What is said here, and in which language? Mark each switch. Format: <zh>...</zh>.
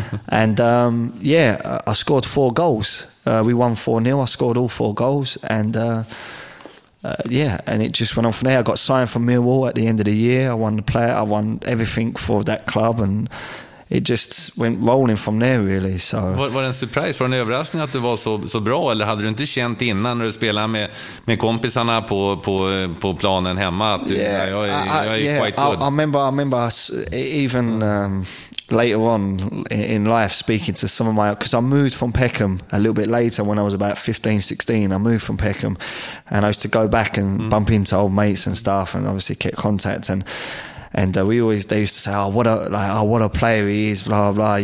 <en>And I scored 4 goals. We won 4-0. I scored all 4 goals, and and it just went on from there. I got signed for Millwall at the end of the year. I won the player. I won everything for that club, and it just went rolling from there, really. So</en> <sv>Var det en surprise? Var det en överraskning att du var så bra, eller hade du inte känt innan när du spelade med kompisarna på planen hemma att du,</sv> <en>quite good? I remember even later on in life speaking to some of my, because I moved from Peckham a little bit later when I was about 15-16. I moved from Peckham, and I used to go back and bump into old mates and stuff, and obviously kept contact, and they used to say, what a player he is, blah blah.</en>